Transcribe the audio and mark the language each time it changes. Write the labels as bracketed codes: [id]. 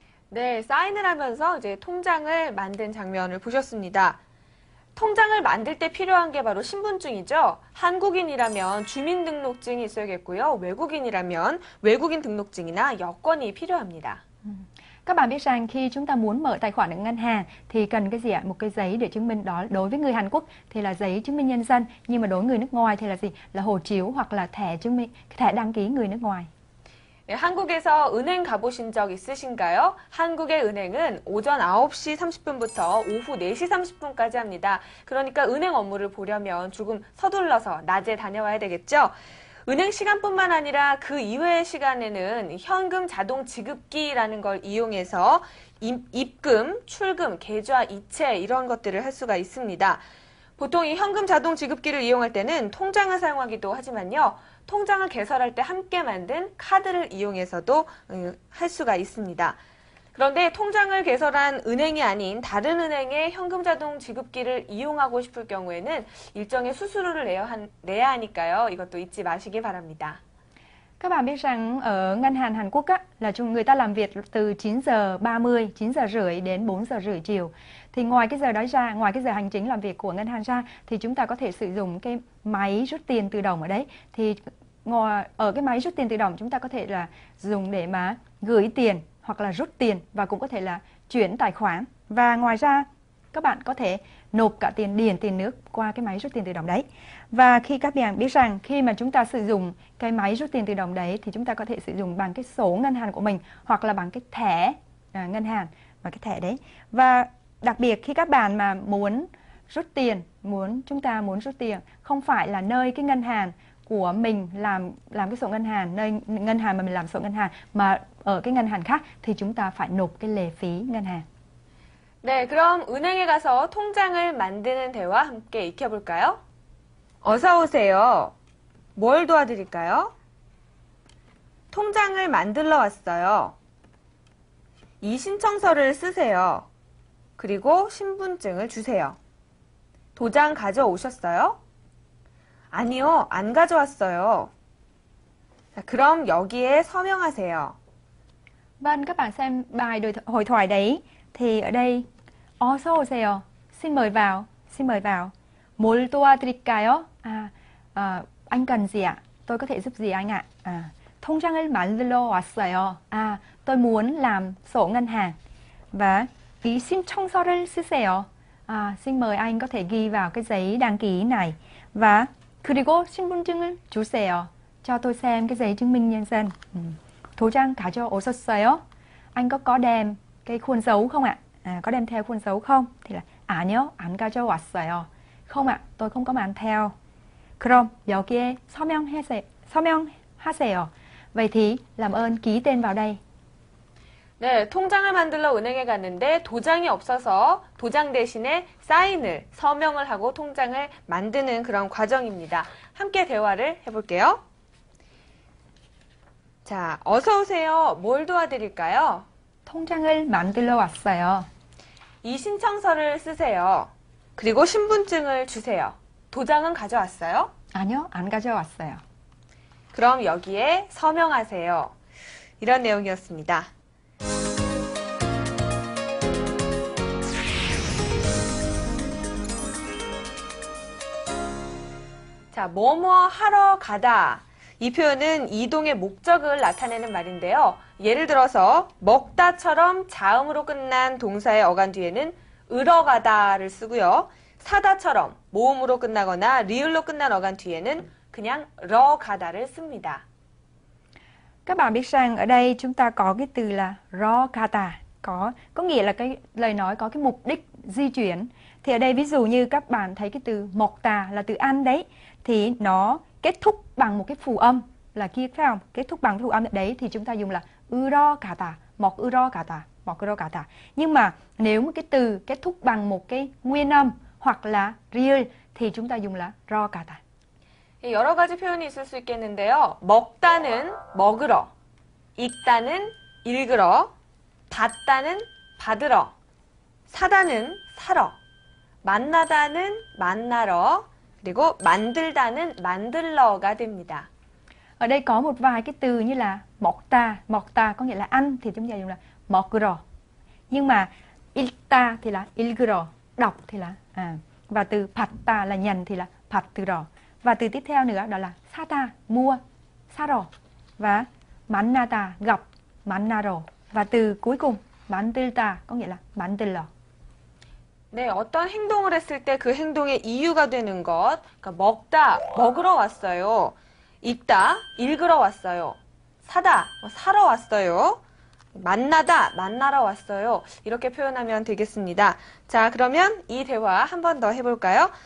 [ko] 네, 사인을 하면서 이제 통장을 만든 장면을 보셨습니다. 통장을 만들 때 필요한 게 바로 신분증이죠. 한국인이라면 주민등록증이 있어야겠고요. 외국인이라면 외국인 등록증이나 여권이 필요합니다. [vi] Các bạn biết rằng khi chúng ta muốn mở tài khoản ở ngân hàng thì cần cái gì ạ? Một cái giấy để chứng minh đó. Đối với người Hàn Quốc thì là giấy chứng minh nhân dân, nhưng mà đối với người nước ngoài thì là gì? Là hộ chiếu hoặc là thẻ chứng minh, thẻ đăng ký người nước ngoài. [ko] 네, 한국에서 은행 가보신 적 있으신가요? 한국의 은행은 오전 9시 30분부터 오후 4시 30분까지 합니다. 그러니까 은행 업무를 보려면 조금 서둘러서 낮에 다녀와야 되겠죠? 은행 시간뿐만 아니라 그 이외의 시간에는 현금 자동 지급기라는 걸 이용해서 입금, 출금, 계좌, 이체 이런 것들을 할 수가 있습니다. 보통 이 현금 자동 지급기를 이용할 때는 통장을 사용하기도 하지만요. 통장을 개설할 때 함께 만든 카드를 이용해서도 할 수가 있습니다. 그런데 통장을 개설한 은행이 아닌 다른 은행의 현금 자동 지급기를 이용하고 싶을 경우에는 일정의 수수료를 내야 하니까요. 이것도 잊지 마시기 바랍니다. [vi] Các bạn biết rằng ở ngân hàng Hàn Quốc á, là chúng người ta làm việc từ 9:30, 9:30 đến 4:30 chiều. Thì ngoài cái giờ đó ra, ngoài cái giờ hành chính làm việc của ngân hàng ra, thì chúng ta có thể sử dụng cái máy rút tiền tự động ở đấy. Thì ngoài, ở cái máy rút tiền tự động chúng ta có thể là dùng để mà gửi tiền hoặc là rút tiền và cũng có thể là chuyển tài khoản. Và ngoài ra các bạn có thể nộp cả tiền điện, tiền nước qua cái máy rút tiền tự động đấy. Và khi các bạn biết rằng khi mà chúng ta sử dụng cái máy rút tiền tự động đấy thì chúng ta có thể sử dụng bằng cái số ngân hàng của mình hoặc là bằng cái thẻ ngân hàng và cái thẻ đấy. Và đặc biệt khi các bạn mà muốn rút tiền, chúng ta muốn rút tiền không phải là nơi cái ngân hàng của mình làm cái sổ ngân hàng, nơi ngân hàng mà mình làm sổ ngân hàng mà ở cái ngân hàng khác thì chúng ta phải nộp cái lệ phí ngân hàng. [ko] 네, 그럼 은행에 가서 통장을 만드는 대화 함께 익혀볼까요? 어서 오세요. 뭘 도와드릴까요? 통장을 만들러 왔어요. 이 신청서를 쓰세요. 그리고 신분증을 주세요. 도장 가져오셨어요? 아니요, 안 가져왔어요. 자, 그럼 여기에 서명하세요. [vi] Bạn, các bạn xem bài hội thoại đấy thì ở đây [ko] 어서 오세요. [vi] Xin mời vào. Xin mời vào. [ko] 뭘 도와드릴까요? [vi] 아, anh cần gì ạ? Tôi có thể giúp gì anh ạ? [ko] 아, 통장을 만들러 왔어요. [vi] 아, tôi muốn làm sổ ngân hàng. [ko] Và 이 신청서를 쓰세요. [vi] 아, xin mời anh có thể ghi vào cái giấy đăng ký này. [ko] Và 그리고 신분증을 주세요. [vi] Cho tôi xem cái giấy chứng minh nhân dân. [ko] 도장 가져오셨어요? [vi] Anh có đem cái khuôn dấu không ạ? À, có đem theo khuôn dấu không? Thì là [ko] 아니요, 안 가져왔어요. [vi] Không ạ, tôi không có mang theo. [ko] 그럼 여기에 서명하세요. [vi] Vậy thì làm ơn ký tên vào đây. [ko] 네, 통장을 만들러 은행에 갔는데 도장이 없어서 도장 대신에 사인을, 서명을 하고 통장을 만드는 그런 과정입니다. 함께 대화를 해볼게요. 자, 어서 오세요. 뭘 도와드릴까요? 통장을 만들러 왔어요. 이 신청서를 쓰세요. 그리고 신분증을 주세요. 도장은 가져왔어요? 아니요, 안 가져왔어요. 그럼 여기에 서명하세요. 이런 내용이었습니다. 자, 뭐뭐 하러 가다. 이 표현은 이동의 목적을 나타내는 말인데요. 예를 들어서 먹다처럼 자음으로 끝난 동사의 어간 뒤에는 으러가다를 쓰고요. 사다처럼 모음으로 끝나거나 리을로 끝난 어간 뒤에는 그냥 러가다를 씁니다. [vi] Các bạn biết rằng ở đây chúng ta có cái từ là 러가다. Có nghĩa là cái lời nói có cái mục đích di chuyển. Thì ở đây ví dụ như các bạn thấy cái từ 먹다 là từ ăn đấy. Thì nó kết thúc bằng một cái phụ âm là kia, phải không? Kết thúc bằng phụ âm đấy thì chúng ta dùng là 으러가다, 먹 으러가다, 먹 으러가다. Nhưng mà nếu một cái từ kết thúc bằng một cái nguyên âm hoặc là 리을 thì chúng ta dùng là 러가다. [ko] 여러 가지 표현이 있을 수 있겠는데요. 먹다는 먹으러, 읽다는 읽으러, 받다는 받으러, 사다는 사러, 만나다는 만나러, 그리고 만들다는 만들러가 됩니다. [vi] Ở đây có một vài cái từ như là mokta, mokta có nghĩa là ăn thì chúng ta dùng là mokuro. Nhưng mà ilta thì là ilguro, đọc thì là và từ patta là nhận thì là patturo. Và từ tiếp theo nữa đó là sata, mua, saro. Và mannata, gặp, mannaro. Và từ cuối cùng, mandilta có nghĩa là mandilo. [ko] 네, 어떤 행동을 했을 때 그 행동의 이유가 되는 것. 그러니까 먹다, 먹으러 왔어요. 읽다, 읽으러 왔어요. 사다, 사러 왔어요. 만나다, 만나러 왔어요. 이렇게 표현하면 되겠습니다. 자, 그러면 이 대화 한 번 더 해볼까요?